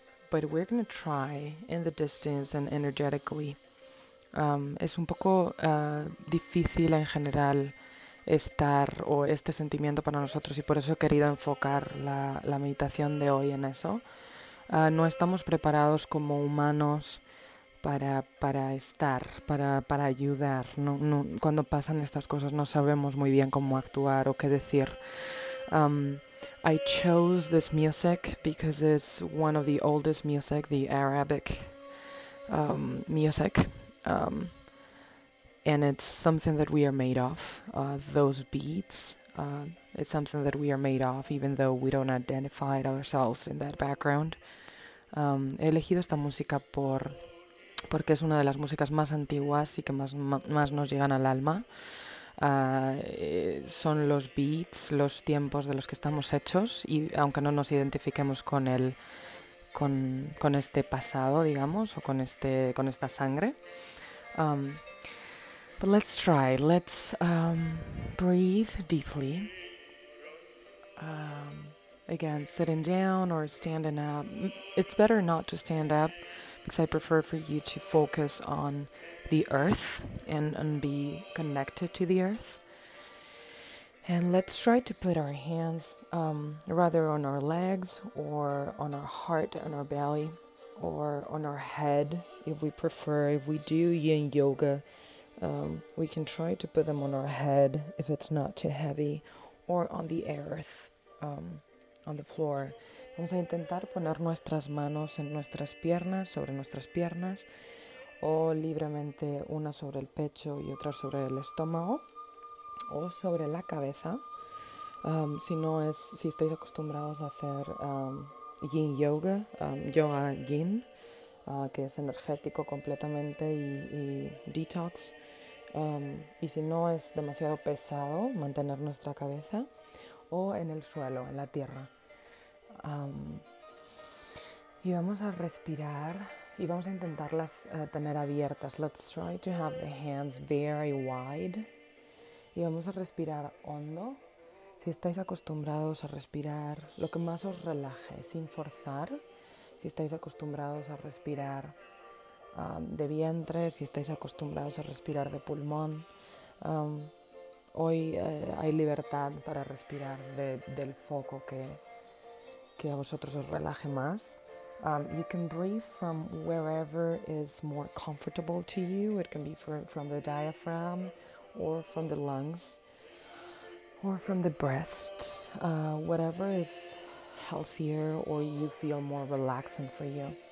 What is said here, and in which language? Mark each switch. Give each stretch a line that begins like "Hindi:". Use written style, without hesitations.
English: But we're gonna try in the distance and energetically.
Spanish: Es un poco difícil en general estar o este sentimiento para nosotros y por eso he querido enfocar la meditación de hoy en eso. No estamos preparados como humanos para estar, para ayudar. No, cuando pasan estas cosas no sabemos muy bien cómo actuar o qué decir.
English: I chose this music because it's one of the oldest music, the Arabic music. And it's something that we are made of, those beats. It's something that we are made of, even though we don't identify ourselves in that background.
Spanish: He elegido esta música porque es una de las músicas más antiguas y que más nos llegan al alma. Son los beats, los tiempos de los que estamos hechos y aunque no nos identifiquemos con él, con este pasado, digamos, o con esta sangre.
English: But let's try. Let's breathe deeply. Again, sitting down or standing up. It's better not to stand up because I prefer for you to focus on the earth and be connected to the earth. And let's try to put our hands rather on our legs or on our heart, on our belly, or on our head if we prefer. If we do yin yoga, We can try to put them on our head if it's not too heavy, or on the earth, on the floor.
Spanish: Vamos a intentar poner nuestras manos en nuestras piernas, sobre nuestras piernas, o libremente una sobre el pecho y otra sobre el estómago, o sobre la cabeza. Si estáis acostumbrados a hacer yin yoga, yoga yin, que es energético completamente y detox. Y si no es demasiado pesado mantener nuestra cabeza, o en el suelo, en la tierra. Y vamos a respirar y vamos a intentarlas tener abiertas.
English: Let's try to have the hands very wide.
Spanish: Y vamos a respirar hondo. Si estáis acostumbrados a respirar lo que más os relaje, sin forzar. Si estáis acostumbrados a respirar de vientre, si estáis acostumbrados a respirar de pulmón. Hoy hay libertad para respirar del foco que a vosotros os relaje más.
English: You can breathe from wherever is more comfortable to you. It can be from the diaphragm, or from the lungs, or from the breast. Whatever is healthier or you feel more relaxing for you.